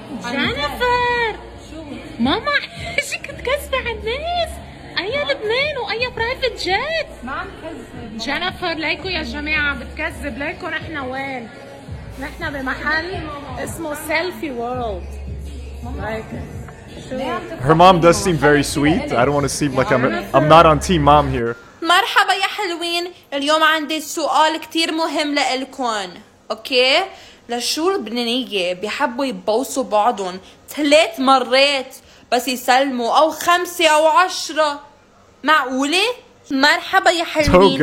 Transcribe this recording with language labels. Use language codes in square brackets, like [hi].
[ar] جينيفر ماما شو كنت كذبة على الناس؟ أي لبنان وأي برايفت جيت؟ ما عم كذب جينيفر. ليكو يا جماعة بتكذب، ليكو نحن وين؟ نحن بمحل اسمه سيلفي وورلد. [en] Her mom does seem very sweet. I don't want to seem like I'm not on team mom here. [ar] مرحبا يا حلوين، اليوم عندي سؤال كتير مهم لإلكون. أوكي؟ لشو البنانية بيحبوا يبوسوا بعضهم ثلاث مرات بس يسلموا، أو خمسة أو عشرة؟ معقولة؟ مرحبا يا حلوين.